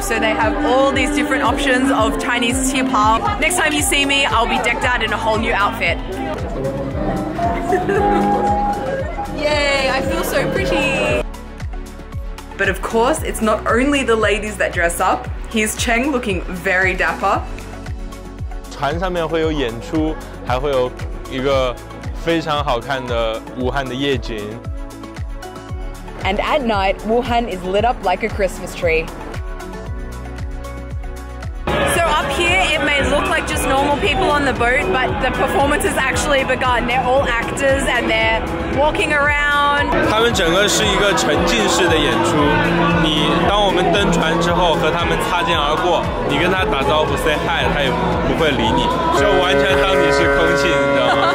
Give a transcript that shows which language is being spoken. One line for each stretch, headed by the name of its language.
English: So they have all these different options of Chinese tea pao. Next time you see me, I'll be decked out in a whole new outfit. Yay, I feel so pretty! But of course, it's not only the ladies that dress up. Here's Cheng looking very dapper.
Chinese: 船上面会有演出，还会有一个非常好看的武汉的夜景。
English: And at night, Wuhan is lit up like a Christmas tree. Here it may look like just normal people on the boat, but the performance has actually begun. They're all actors and they're walking around.
Chinese: 他们整个是一个沉浸式的演出。你当我们登船之后和他们擦肩而过，你跟他打招呼
English: say hi，
Chinese: 他也不会理你，就完全当你是空气，你知道吗？